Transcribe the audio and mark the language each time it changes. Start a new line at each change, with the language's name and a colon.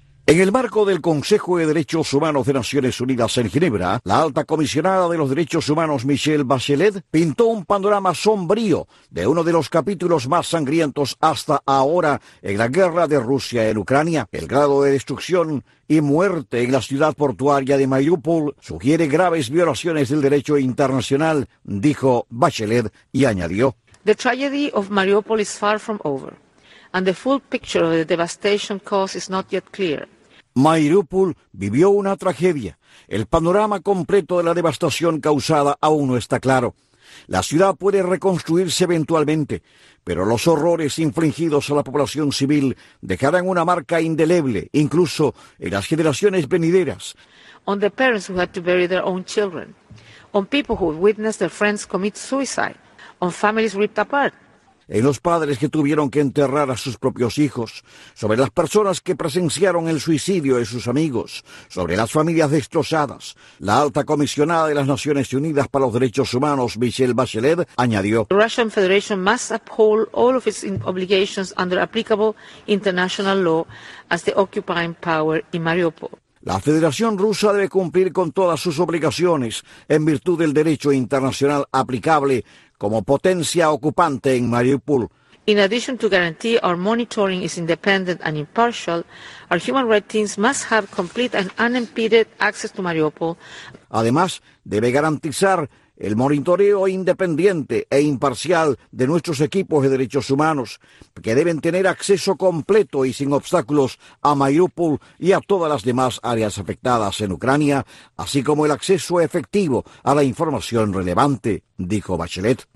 Spanish: En el marco del Consejo de Derechos Humanos de Naciones Unidas en Ginebra, la alta comisionada de los Derechos Humanos, Michelle Bachelet, pintó un panorama sombrío de uno de los capítulos más sangrientos hasta ahora en la guerra de Rusia en Ucrania. El grado de destrucción y muerte en la ciudad portuaria de Mariúpol sugiere graves violaciones del derecho internacional, dijo Bachelet y añadió:
English: The tragedy of Mariupol is far from over. And the full picture of the devastation caused is not yet clear.
Spanish: Mariupol vivió una tragedia. El panorama completo de la devastación causada aún no está claro. La ciudad puede reconstruirse eventualmente, pero los horrores infligidos a la población civil dejarán una marca indeleble, incluso en las generaciones venideras.
English: On the parents who had to bury their own children, on people who witnessed their friends commit suicide, on families ripped apart.
Spanish: En los padres que tuvieron que enterrar a sus propios hijos, sobre las personas que presenciaron el suicidio de sus amigos, sobre las familias destrozadas, la alta comisionada de las Naciones Unidas para los Derechos Humanos, Michelle Bachelet, añadió:
English: The Russian Federation must uphold all of its obligations under applicable international law as the occupying power in Mariupol.
Spanish: La Federación Rusa debe cumplir con todas sus obligaciones en virtud del derecho internacional aplicable como potencia ocupante en Mariupol.
English: In addition to guarantee our monitoring is independent and impartial, our human rights teams must have complete and unimpeded access to Mariupol.
Spanish: Además, debe garantizar el monitoreo independiente e imparcial de nuestros equipos de derechos humanos, que deben tener acceso completo y sin obstáculos a Mariupol y a todas las demás áreas afectadas en Ucrania, así como el acceso efectivo a la información relevante, dijo Bachelet.